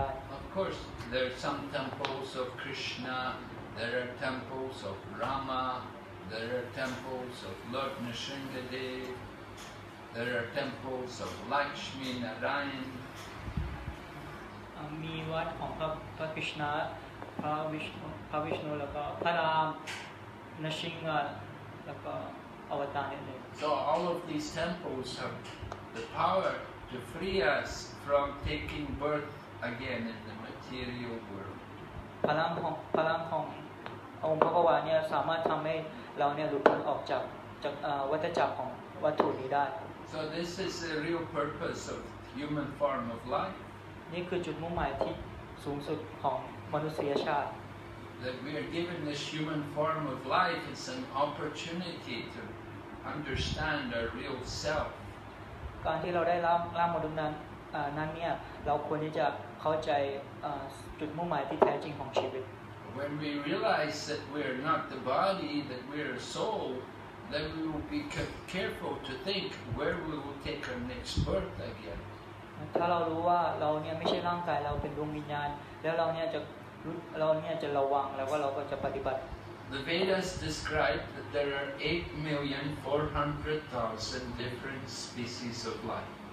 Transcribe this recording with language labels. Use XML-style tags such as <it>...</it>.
<en>Of course, there are some temples of Krishna, there are temples of Rama, there are temples of Lord Nrsingadev, there are temples of Lakshmi Narayan.</en> <th>มีวัดของพระกฤษณะพระวิษณุแล้วก็พระรามนสิงห์แล้วก็อวตารเนี่ย</th> <en>So all of these temples have the power to free us from taking birth again in the material world</en> <th>พลังขององค์พระกวาเนี่ยสามารถทำให้เราเนี่ยหลุดพ้นออกจากวัฏจักรของวัตถุนี้ได้</th> <en>So this is the real purpose of human form of life</en> <th>นี่คือจุดมุ่งหมายที่สูงสุดของมนุษยชาติ</th> <en>That we are given this human form of life is an opportunity to understand our real self</en> <th>การที่เราได้ร่างมนุษย์นั้นเนี่ยเราควรที่จะเข้าใจจุดมุ่งหมายที่แท้จริงของชีวิต</th> <en>When we realize that we are not the body that we are a soulThen we will be careful to think where we will take our next birth again.</en> <th>ถ้าเรารู้ว่าเราเนี่ยไม่ใช่ร่างกายเราเป็นดวงวิญญาณแล้วเราเนี่ยจะระวังแล้วว่าเราก็จะปฏิบัติ</th> <en>The Vedas describe that there are 8,400,000 different species of life.</en>